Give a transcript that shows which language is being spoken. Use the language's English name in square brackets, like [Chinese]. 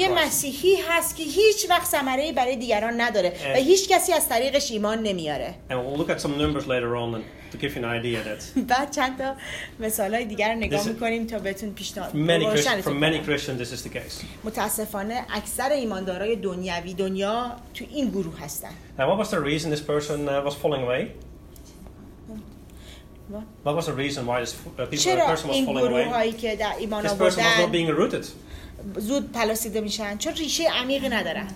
[Persian] یه مسیحی هست که هیچ وقت ثمره‌ای برای دیگران نداره و هیچ کسی از طریقش ایمان نمیاره. [English] And we'll look at some numbers later on to give you an idea that. [Persian] بعد چند تا مثالای دیگر رو نگاه می‌کنیم تا بهتون پیشنهاد بدیم. [English] From many Christians this is the case. [Persian] متأسفانه اکثر ایماندارای دنیوی دنیا تو این گروه هستن. [English] Now, what was the reason this person was falling away? What was the reason why this person was falling away? This person was not being rooted. [Persian] زود پلاسیده میشن چون ریشه عمیقی ندارن.